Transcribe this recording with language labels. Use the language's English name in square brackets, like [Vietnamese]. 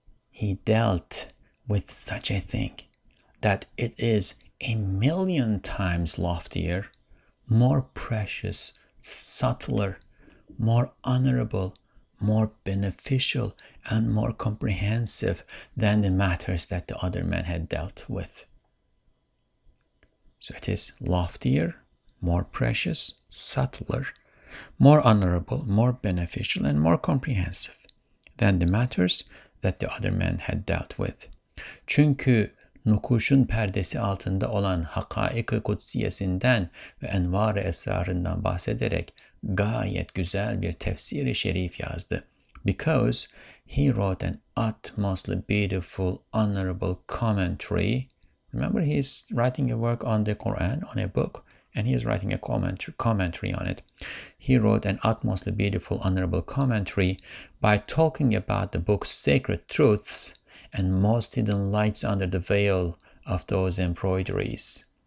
[English] He dealt with such a thing that it is a million times loftier, more precious, subtler, more honorable, more beneficial, and more comprehensive than the matters that the other man had dealt with. So it is loftier, more precious, subtler, more honorable, more beneficial, and more comprehensive than the matters that the other man had dealt with. [Turkish] Çünkü nukuşun perdesi altında olan hakaik-i kutsiyesinden ve envar-ı esrarından bahsederek gayet güzel bir tefsir-i şerif yazdı. [English] Because he wrote an utmostly beautiful, honorable commentary. Remember, he is writing a work on the Quran, on a book. And he is writing a commentary on it. He wrote an utmostly beautiful, honorable commentary by talking about the book's sacred truths and most hidden lights under the veil of those embroideries.